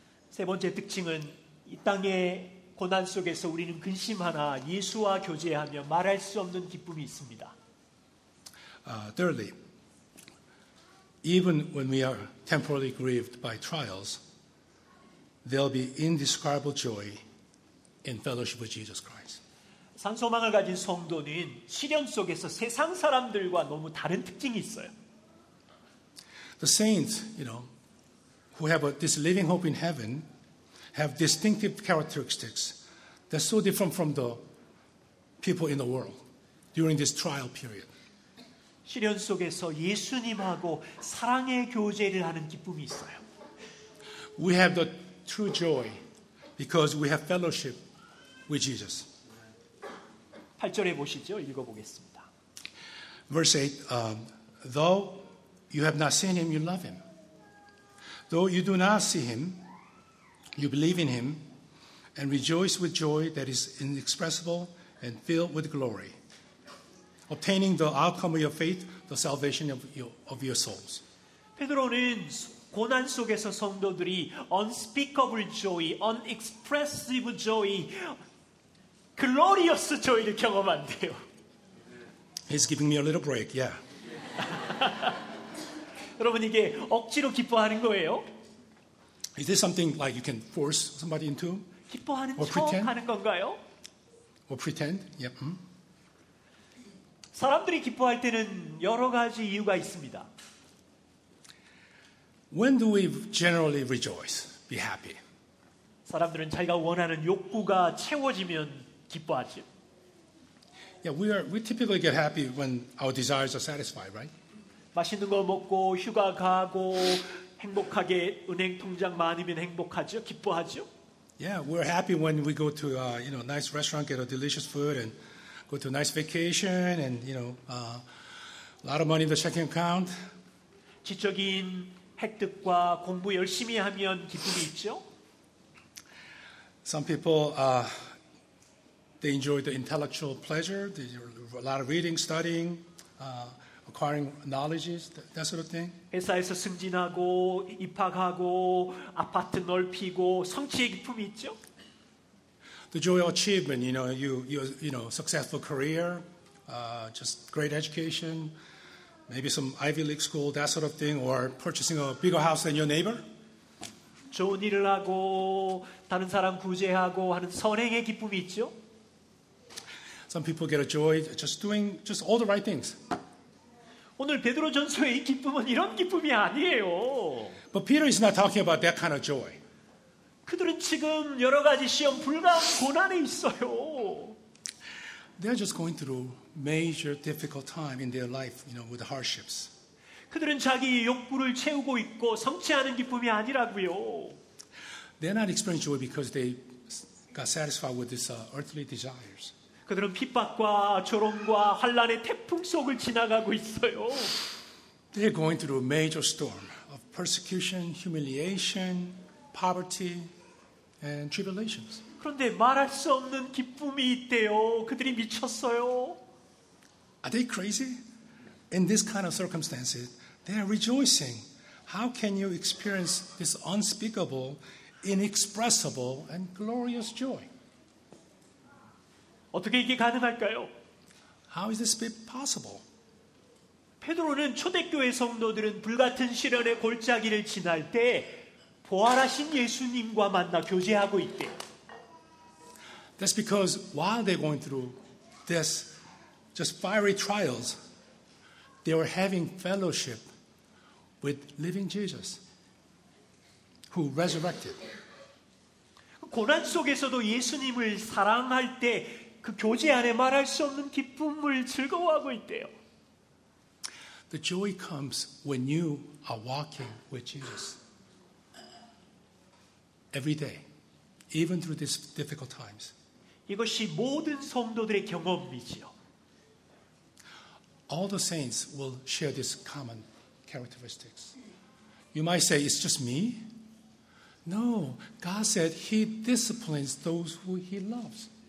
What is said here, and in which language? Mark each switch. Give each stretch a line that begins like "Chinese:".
Korean: 세 번째 특징은 이 땅의 고난 속에서 우리는 근심하나 예수와 교제하며 말할 수 없는 기쁨이 있습니다.
English: Thirdly, even when we are temporarily grieved by trials, there'll be indescribable joy in fellowship with Jesus Christ.
Korean: 산 소망을 가진 성도는 시련 속에서 세상 사람들과 너무 다른 특징이 있어요.
English: The saints, you know, who have this living hope in heaven have distinctive characteristics that's so different from the people in the world during this trial period.
Korean: 시련 속에서 예수님하고 사랑의 교제를 하는 기쁨이 있어요.
English: We have the true joy because we have fellowship with Jesus.
Korean: 8절에 보시죠. 읽어보겠습니다.
English: Verse 8, though you have not seen him, you love him. Though you do not see him, you believe in him and rejoice with joy that is inexpressible and filled with glory, obtaining the outcome of your faith, the salvation of your souls.
Korean: 베드로는 고난 속에서 성도들이
English: unspeakable joy, unexpressible joy, glorious joy
Korean: 를 경험한대요.
English: He's giving me a little break, yeah.
Korean: 여러분 이게 억지로 기뻐하는 거예요?
English: Is this something like you can force somebody into?
Korean: 기뻐하는 척하는 건가요?
English: Or pretend? Yep.
Korean: 사람들이 기뻐할 때는 여러 가지 이유가 있습니다.
English: When do we generally rejoice, be happy?
Korean: 사람들은 자기가 원하는 욕구가 채워지면 기뻐하지.
English: Yeah, we typically get happy when our desires are satisfied, right?
Korean: 맛있는 거 먹고 휴가 가고 행복하게 은행 통장 많으면 행복하죠, 기뻐하죠.
English: Yeah, we're happy when we go to you know nice restaurant, get a delicious food, and go to a nice vacation, and you know a lot of money in the checking account.
Korean: 지적인 획득과 공부 열심히 하면 기쁨이 있죠.
English: Some people they enjoy the intellectual pleasure, they do a lot of reading, studying. Acquiring knowledges, that sort of thing.
Korean: 회사에서 승진하고 입학하고 아파트 넓히고 성취의 기쁨이 있죠.
English: The joy of achievement, you know, you know, successful career, just great education, maybe some Ivy League school, that sort of thing, or purchasing a bigger house than your neighbor.
Korean: 좋은 일을 하고 다른 사람 구제하고 하는 선행의 기쁨이 있죠.
English: Some people get a joy just doing just all the right things.
Korean: 오늘 베드로 전서의 이 기쁨은 이런 기쁨이 아니에요.
English: But Peter is not talking about that kind of joy.
Korean: 그들은 지금 여러 가지 시험 불가한 고난에 있어요.
English: They're just going through major difficult time in their life, you know, with hardships.
Korean: 그들은 자기 욕구를 채우고 있고 성취하는 기쁨이 아니라고요.
English: They're not experiencing joy because they got satisfied with these earthly desires.
Korean: 그들은 핍박과 조롱과 환란의 태풍 속을 지나가고 있어요.
English: They're going through a major storm of persecution, humiliation, poverty, and tribulations.
Korean: 그런데 말할 수 없는 기쁨이 있대요. 그들이 미쳤어요.
English: Are they crazy? In this kind of circumstances, they are rejoicing. How can you experience this unspeakable, inexpressible, and glorious joy?
Korean: 어떻게 이게 가능할까요?
English: How is this possible?
Korean: 베드로는 초대교회 성도들은 불같은 시련의 골짜기를 지날 때 부활하신 예수님과 만나 교제하고 있대.
English: That's because while they're going through this just fiery trials, they were having fellowship with living Jesus, who resurrected.
Korean: 고난 속에서도 예수님을 사랑할 때 그 교제 안에 말할 수 없는 기쁨을 즐거워하고 있대요.
English: The joy comes when you are walking with Jesus every day, even through these difficult times.
Korean: 이것이 모든 성도들의 경험이지요.
English: All the saints will share these common characteristics. You might say, it's just me. No, God said He disciplines those who He loves.